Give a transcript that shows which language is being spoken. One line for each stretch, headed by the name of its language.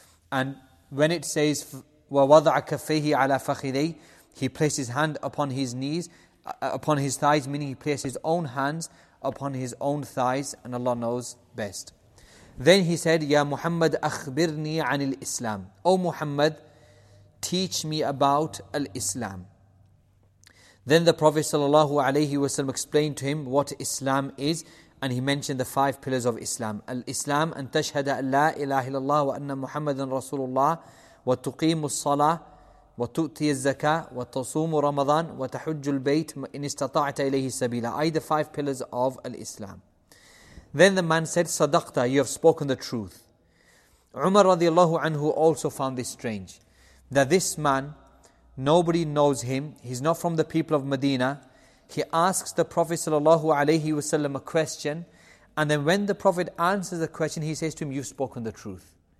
English: And when it says,
Arabic: وَوَضَعَكَ فَيْهِ عَلَى فَخِذَيْهِ,
English: he placed his hand upon his knees, upon his thighs, meaning he placed his own hands upon his own thighs, and Allah knows best. Then he said,
Arabic: يَا مُحَمَّدْ أَخْبِرْنِي عَنِ الْإِسْلَامِ,
English: O Muhammad, teach me about al-Islam. Then the Prophet sallallahu alayhi wasallam explained to him what Islam is, and he mentioned the five pillars of Islam.
Arabic: Al-Islam, أن تشهد أن لا إله إلا الله وأن محمد رسول الله وتقيم الصلاة وتؤتي الزكاة وتصوم رمضان وتحج البيت إن استطعت إليه سبيلا.
English: I, the five pillars of Islam. Then the man said,
Arabic: صدقت,
English: you have spoken the truth. Umar رضي الله عنه also found this strange, that this man, nobody knows him, he's not from the people of Medina. He asks the Prophet sallallahu alayhi wasallam a question, and then when the Prophet answers the question, he says to him, you've spoken the truth.